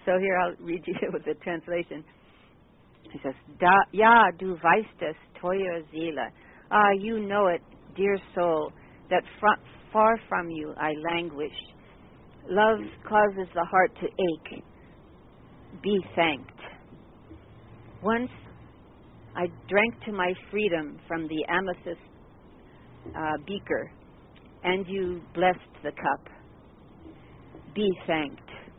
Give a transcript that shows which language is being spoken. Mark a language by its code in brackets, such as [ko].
[en] So here I'll read you with the translation. He says, [de] "Da, ja, du weißt es, teure Seele. [en] Ah, you know it, dear soul, that far from you I languish. Love causes the heart to ache. Be thanked. Once I drank to my freedom from the amethyst beaker, and you blessed the cup. Be thanked.